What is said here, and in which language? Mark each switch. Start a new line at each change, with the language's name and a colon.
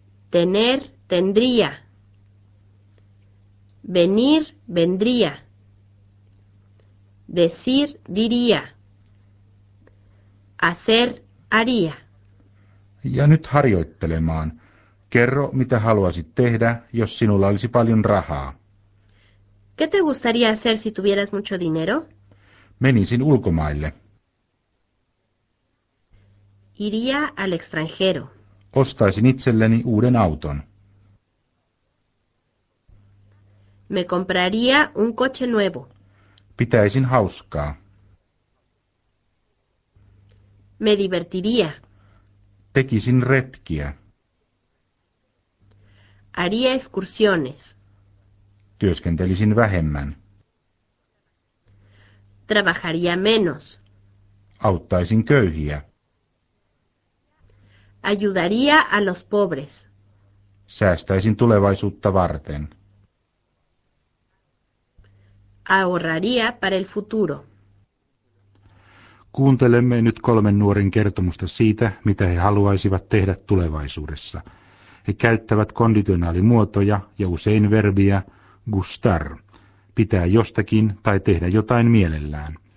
Spanish: Tener, tendría. Venir, vendría. Decir, diría. Hacer, haría.
Finnish: Ja nyt harjoittelemaan. Kerro, mitä haluaisit tehdä, jos sinulla olisi paljon rahaa.
Spanish: ¿Qué te gustaría hacer si tuvieras mucho dinero?
Finnish: Menisin ulkomaille.
Spanish: Iría al extranjero.
Finnish: Ostaisin itselleni uuden auton.
Spanish: Me compraría un coche nuevo.
Finnish: Pitäisin hauskaa.
Spanish: Me divertiría.
Finnish: Tekisin retkiä.
Spanish: Haría excursiones.
Finnish: Työskentelisin vähemmän.
Spanish: Trabajaría menos.
Finnish: Auttaisin köyhiä.
Spanish: Ayudaría a los pobres.
Finnish: Säästäisin tulevaisuutta varten.
Spanish: Ahorraría para el futuro.
Finnish: Kuuntelemme nyt kolmen nuoren kertomusta siitä, mitä he haluaisivat tehdä tulevaisuudessa. He käyttävät konditionaalimuotoja ja usein verbiä gustar, pitää jostakin tai tehdä jotain mielellään.